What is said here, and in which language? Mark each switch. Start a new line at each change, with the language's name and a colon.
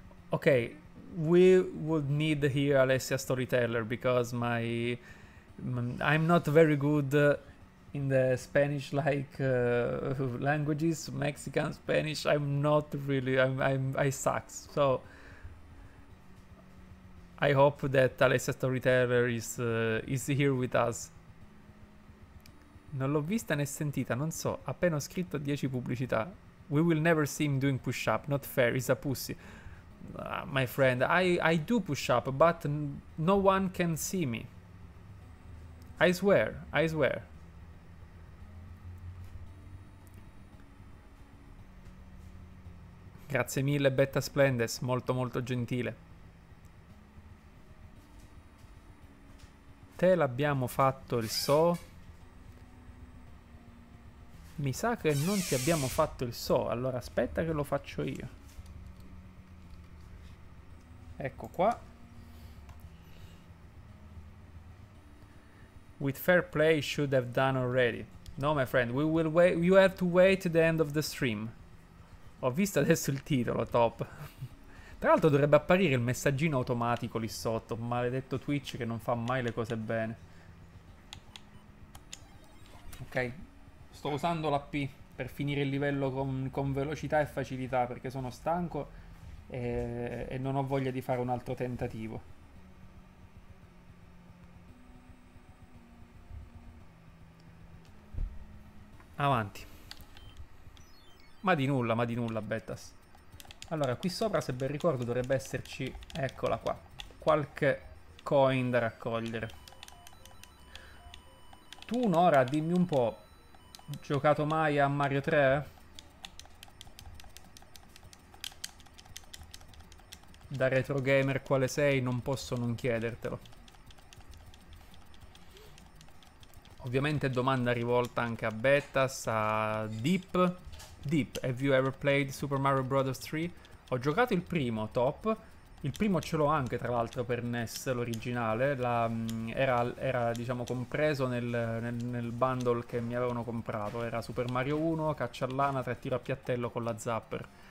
English: Ok, we would need here Alessia Storyteller, because I'm not very good in the Spanish languages, Mexican, Spanish, I suck. So I hope that Alessia Storyteller is here with us.
Italian: Non l'ho vista né sentita, non so, appena ho scritto 10 pubblicità.
English: We will never see him doing push-up, not fair, he's a pussy. My friend, I do push up, but no one can see me. I swear.
Italian: Grazie mille, Betta Splendes, molto molto gentile. Te l'abbiamo fatto il so. Mi sa che non ti abbiamo fatto il so, allora aspetta che lo faccio io. Ecco qua.
English: With fair play should have done already. No, my friend, we will wait. You have to wait the end of the stream.
Italian: Ho visto adesso il titolo, top. Tra l'altro dovrebbe apparire il messaggino automatico lì sotto. Maledetto Twitch che non fa mai le cose bene. Ok. Sto usando la P per finire il livello con velocità e facilità, perché sono stanco e non ho voglia di fare un altro tentativo. Avanti. Ma di nulla, Bettas. Allora, qui sopra, se ben ricordo, dovrebbe esserci, eccola qua, qualche coin da raccogliere. Tu, Nora, dimmi un po', giocato mai a Mario 3? Da retro gamer quale sei, non posso non chiedertelo. Ovviamente domanda rivolta anche a Bettas, a Deep.
English: Deep, have you ever played Super Mario Bros.
Italian: 3? Ho giocato il primo, top. Il primo ce l'ho anche, tra l'altro, per NES, l'originale. Era diciamo, compreso nel bundle che mi avevano comprato. Era Super Mario 1, caccia all'ana, tre tiro a piattello con la zapper.